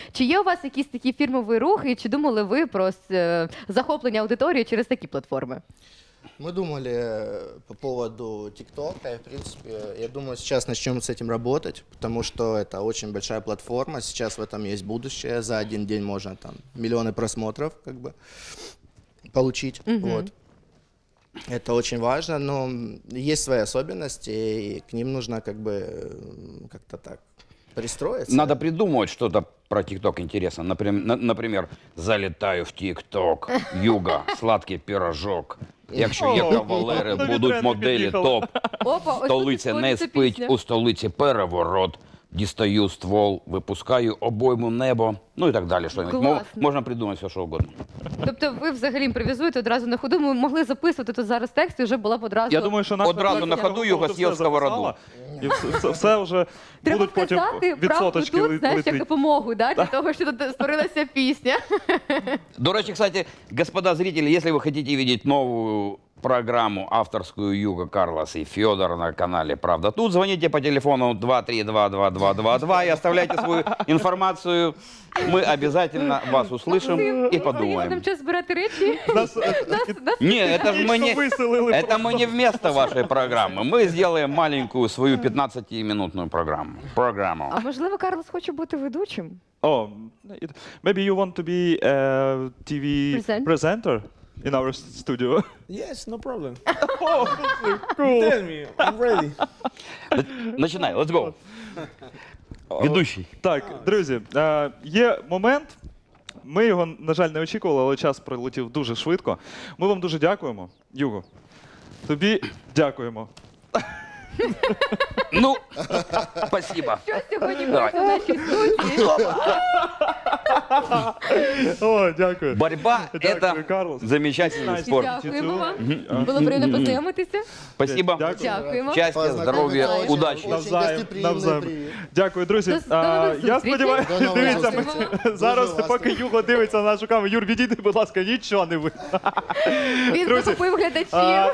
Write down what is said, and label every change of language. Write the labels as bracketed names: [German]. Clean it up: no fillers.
[Ukrainian] Чи є у вас якісь такі фірмовий рух, і чи думали ви про захоплення аудиторії через такі платформи? Ми думали по поводу TikTok, і, в принципі, я думаю, зараз почнемо з цим працювати, тому що це дуже велика платформа, зараз в цьому є майбутнє, за один день можна там мільйони просмотрів, як би, отримати. Угу. Вот. [Russian] Это очень важно, но есть свои особенности, и к ним нужно как бы как-то так пристроиться. Надо придумывать что-то про TikTok интересно. Например, залетаю в TikTok, Юга, сладкий пирожок. [Ukrainian] Якщо є кавалери, будуть моделі топ. Опа, столиці не спить, у столиці переворот. Дістаю ствол, випускаю обойму небо, ну і так далі. Що можна придумати все, що угодно. Тобто ви взагалі імпровізуєте одразу на ходу, ми могли записувати тут зараз текст і вже була б одразу. Я думаю, що наш одразу на ходу його з'їв сковороду. І все вже треба будуть потім відсоточки. Тут, знаєш, як допомогу, да, для того, що тут створилася пісня. До речі, [Russian] кстати, господа зрителі, [Ukrainian] якщо ви хочете бачити нову [Russian] программу авторскую Юга, Карлос и Федор на канале «Правда тут», звоните по телефону 232-2222 и оставляйте свою информацию. Мы обязательно вас услышим и подумаем. Мы будем сейчас брать речи. Это мы не вместо вашей программы. Мы сделаем маленькую свою 15-минутную программу. А, возможно, Карлос хочет быть ведущим? [English] О, maybe you want to be a TV presenter? In our studio. Yes, no problem. Oh, cool. Tell me, I'm ready. [Russian] Начинай, [English] let's go. [Russian] Ведущий. [Ukrainian] Так, друзі, є момент, ми його, на жаль, не очікували, але час прилетів дуже швидко. Ми вам дуже дякуємо, Юго. Тобі дякуємо. [Russian] Ну, спасибо. [Ukrainian] Що сьогодні буде в нашій студії? О, дякую. [Russian] Борьба – это замечательный спорт. [Ukrainian] Дякуємо вам. Було приємно познайомитися. [Russian] Спасибо. [Ukrainian] Дякуємо. Щастя, здоров'я, удачі. Навзаєм. Дякую, друзі. Я сподіваюся, дивіться, зараз, поки Юго дивиться на нашу камеру, Юр, відійди, будь ласка, нічого не видно. Він захопив глядачів.